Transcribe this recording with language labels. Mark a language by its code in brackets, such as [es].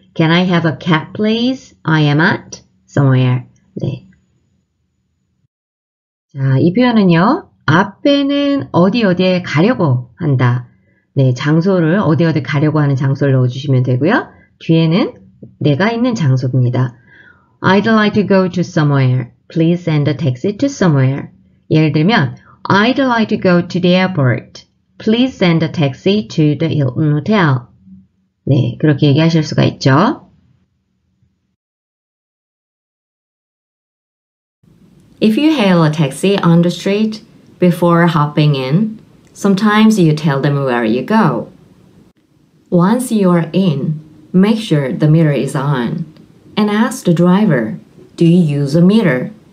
[en] Can I have a cab, please? I am at somewhere. [ko] 네. 자, 이 표현은요. 앞에는 어디 어디에 가려고 한다. 네, 장소를 어디 어디 가려고 하는 장소를 넣어주시면 되고요. 뒤에는 내가 있는 장소입니다. [en] I'd like to go to somewhere. Please send a taxi to somewhere. [ko] 예를 들면 [en] I'd like to go to the airport. Please send a taxi to the Hilton Hotel. [ko] 네, 그렇게 얘기하실 수가 있죠. [en] If you hail a taxi on the street before hopping in, sometimes you tell them where you go. Once you are in, make sure the mirror is on and ask the driver, do you use a mirror?